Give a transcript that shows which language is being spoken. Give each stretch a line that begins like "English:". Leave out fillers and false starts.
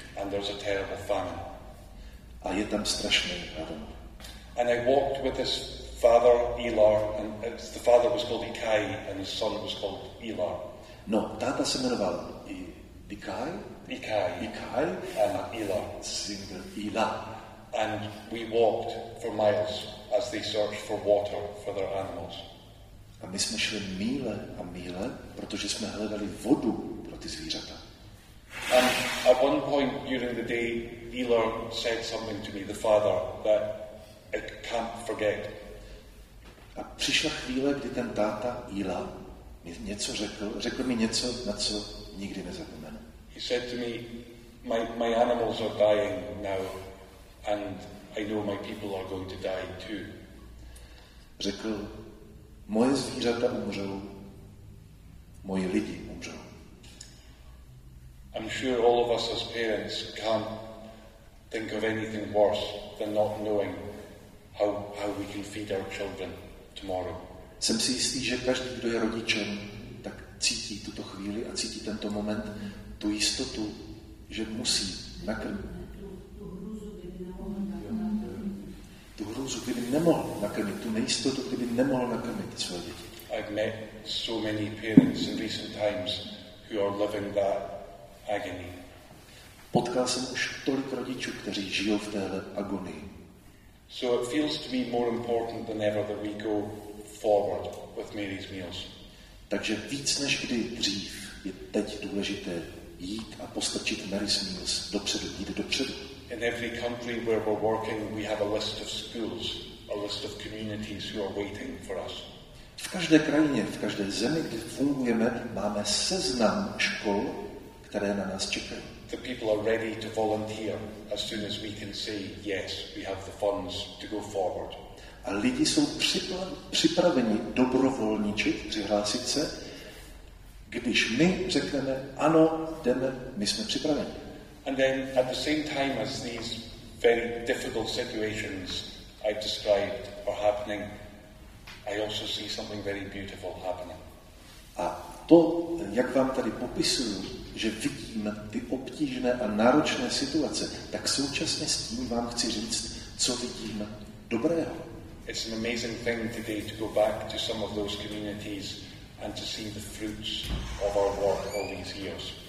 English: And there's a terrible famine.
Czech: A je tam strašný hlad.
English: And I walked with this father Ilar, and the father was called Ikai and his son was called Ilar.
Czech: No, táta se jmenoval
English: Ikai and Ilar.
Czech: Syn byl Ilar.
English: And we walked for miles as they searched for water for their animals.
Czech: A my jsme šli míle a míle, protože jsme hledali vodu pro ty zvířata.
English: And at one point during the day, Ilar said something to me, the father, that I can't forget.
Czech: A přišla chvíle, kdy ten táta Ila mi něco řekl mi něco, na co nikdy nezapomenu.
English: He said to me, my animals are dying now, and I know my people are going to die too.
Czech: Řekl, moje zvířata umřou, moji lidi umřou.
English: I'm sure all of us as parents can't think of anything worse than not knowing how we can feed our children tomorrow.
Czech: Jsem si jistý, že každý, kdo je rodičem, tak cítí tuto chvíli a cítí tento moment tu jistotu, že musí nakrmit. Kdyby nemohl nakrmit tu nejistotu, kdyby nemohl nakrmit své děti.
English: I've met so many parents in recent times who are living that agony.
Czech: Potkal jsem už tolik rodičů, kteří žijou v téhle agonii.
English: So it feels to be more important than ever that we go forward with Mary's meals.
Czech: Takže víc než kdy dřív je teď důležité jít a postrčit Mary's meals dopředu, jít dopředu.
English: In every country where we're working, we have a list of schools, a list of communities who are waiting for us.
Czech: V každé krajině, v každé zemi, kde fungujeme, máme seznam škol, které na nás čekají.
English: The people are ready to volunteer as soon as we can say yes, we have the funds to go forward.
Czech: A lidi jsou připraveni dobrovolničit, přihlásit se, když my řekneme ano, jdeme, my jsme připraveni.
English: And then at the same time as these very difficult situations I've described are happening, I also see something very beautiful happening.
Czech: A to, jak vám tady popisuju, že vidím ty obtížné a náročné situace, tak současně s tím vám chci říct, co vidím dobrého.
English: It's an amazing thing today to go back to some of those communities and to see the fruits of our work all these years.